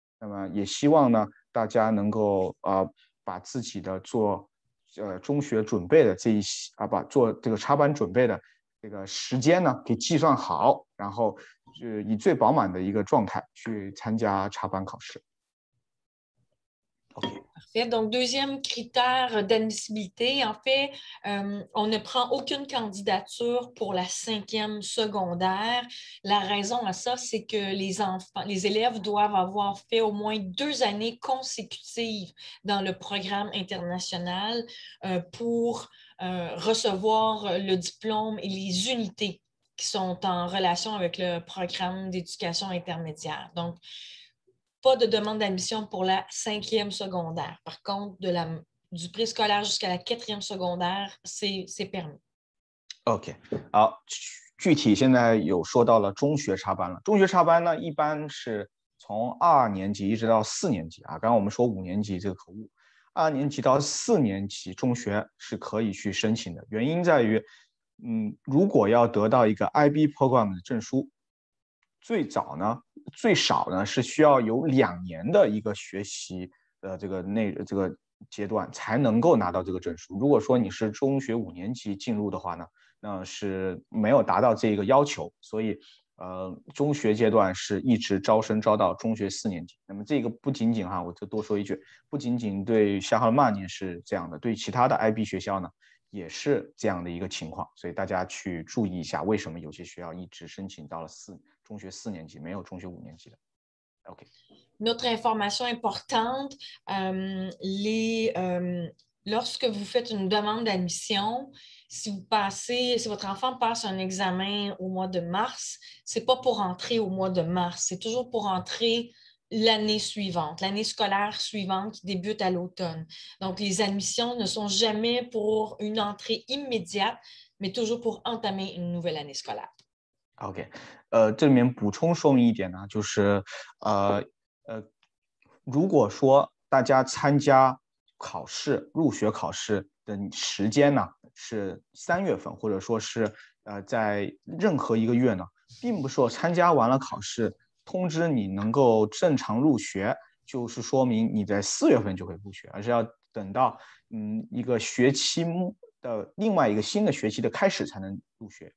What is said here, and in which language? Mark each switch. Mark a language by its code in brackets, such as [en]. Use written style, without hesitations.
[zh] 那么也希望呢，大家能够把自己的做中学准备的这一些把做这个插班准备的这个时间呢给计算好，然后就以最饱满的一个状态去参加插班考试。 [fr] Parfait. Donc, deuxième critère d'admissibilité, en fait, on ne prend aucune candidature pour la cinquième secondaire. La raison à ça, c'est que les élèves doivent avoir fait au moins deux années consécutives dans le programme international pour recevoir le diplôme et les unités qui sont en relation avec le programme d'éducation intermédiaire. Donc, pas de demande d'admission pour la cinquième secondaire. Par contre, du préscolaire jusqu'à la quatrième secondaire, c'est permis. OK. [zh] Alors, 具体现在有说到了中学插班了。中学插班呢，一般是从二年级一直到四年级啊。刚刚我们说五年级这个可恶，二年级到四年级中学是可以去申请的。原因在于，如果要得到一个 IB program 的证书，最早呢。最少呢是需要有两年的一个学习的这个阶段才能够拿到这个证书。如果说你是中学五年级进入的话呢，那是没有达到这个要求，所以中学阶段是一直招生招到中学四年级。那么这个不仅仅哈，我就多说一句，不仅仅对沙拉曼尼是这样的，对其他的 IB 学校呢也是这样的一个情况，所以大家去注意一下为什么有些学校一直申请到了中学四年级，没有中学五年级的。 [fr] OK. Une autre information importante, lorsque vous faites une demande d'admission, si votre enfant passe un examen au mois de mars, c'est pas pour entrer au mois de mars, c'est toujours pour entrer l'année suivante, l'année scolaire suivante qui débute à l'automne. Donc, les admissions ne sont jamais pour une entrée immédiate, mais toujours pour entamer une nouvelle année scolaire. [zh] OK. 这里面补充说明一点呢，就是如果说大家参加考试入学考试的时间呢是三月份，或者说是在任何一个月呢，并不是说参加完了考试通知你能够正常入学，就是说明你在四月份就会入学，而是要等到一个学期的另外一个新的学期的开始才能入学。